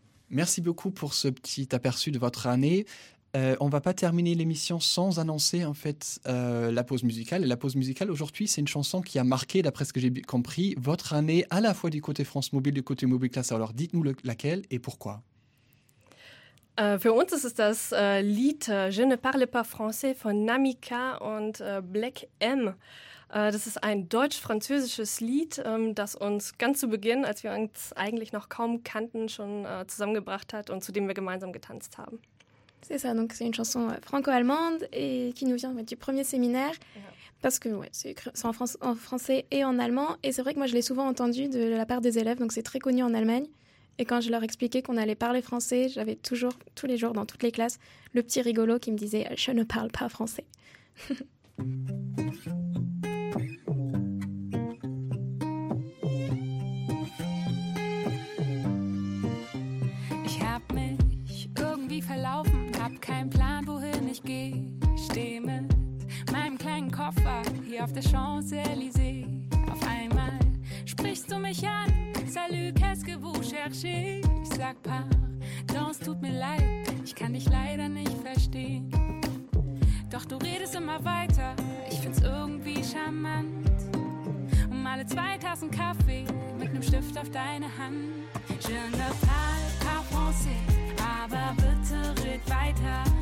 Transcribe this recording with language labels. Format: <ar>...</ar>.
<fr>Merci beaucoup pour ce petit aperçu de votre année. On ne va pas terminer l'émission sans annoncer en fait la pause musicale. Et la pause musicale aujourd'hui, c'est une chanson qui a marqué, d'après ce que j'ai compris, votre année à la fois du côté France Mobile, du côté MobiClass. Alors dites-nous laquelle et pourquoi.</fr> <de>Für uns ist es das Lied Je ne parle pas français von Namika und Black M. Das ist ein deutsch-französisches Lied, das uns ganz zu Beginn, als wir uns eigentlich noch kaum kannten, schon zusammengebracht hat und zu dem wir gemeinsam getanzt haben.</de> <fr>C'est ça, donc c'est une chanson franco-allemande et qui nous vient du premier séminaire. Parce que ouais, c'est en français et en allemand. Et c'est vrai que moi, je l'ai souvent entendu de la part des élèves. Donc, c'est très connu en Allemagne. Et quand je leur expliquais qu'on allait parler français, j'avais toujours, tous les jours, dans toutes les classes, le petit rigolo qui me disait « Je ne parle pas français ».</fr> <de>Ich hab mich irgendwie verlaufen, hab keinen Plan, wohin ich geh. Steh mit meinem kleinen Koffer hier auf der Champs-Élysées. Auf einmal sprichst du mich an.</de> <fr>Salut, qu'est-ce que vous cherchez?</fr> <de>Ich sag pardon, es tut mir leid, ich kann dich leider nicht verstehen. Doch du redest immer weiter, ich find's irgendwie charmant. Um alle zwei Tassen Kaffee mit nem Stift auf deine Hand.</de> <fr>Je ne parle pas français,</fr> <de>aber bitte red weiter.</de>